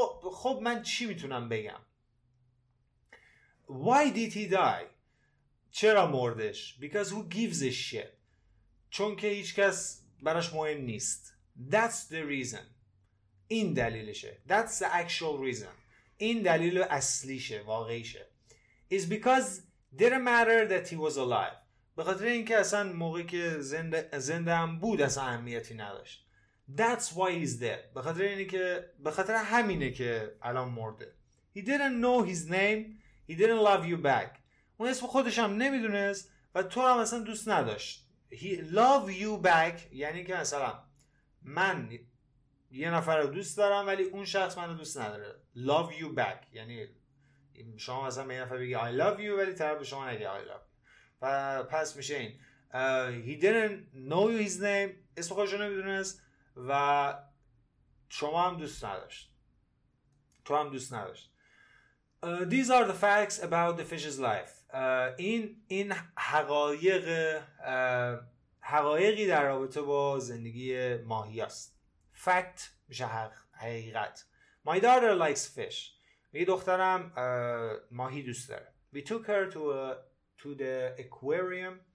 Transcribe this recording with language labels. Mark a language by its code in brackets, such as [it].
[fa] خب من چی میتونم بگم؟ [en] Why did he die? [fa] چرا مردش؟ [en] Because who gives a shit? [fa] چون که هیچ کس براش مهم نیست. [en] That's the reason. [fa] این دلیلشه. [en] That's the actual reason. [fa] این دلیل اصلیشه، واقعیشه. [en] It's because didn't matter that he was alive. [fa] به خاطر اینکه اصلا موقعی که زنده هم بود اصلا اهمیتی نداشت. [en] That's why he's dead. [fa] به خاطر اینه که به خاطر همینه که الان مرده. [en] He didn't know his name. He didn't love you back. [fa] اون اسم خودش هم نمیدونست و تو هم مثلا دوست نداشت. [en] He love you back [fa] یعنی که مثلا من یه نفر رو دوست دارم ولی اون شخص من رو دوست نداره. [en] Love you back [fa] یعنی شما مثلا به یه نفر بگی [en] I love you [fa] ولی طرف به شما نگه [en] I love you. [fa] و پس میشه این [en] he didn't know his name، [fa] اسم خودش رو نمیدونست و شما هم دوست نداشت، تو هم دوست نداشت. [en] These are the facts about the fish's life. [fa] این حقایق حقایقی در رابطه با زندگی ماهی است. [en] Fact [fa] میشه حقیقت. [en] My daughter likes fish. [fa] میگه دخترم ماهی دوست داره. [en] We took her to the aquarium.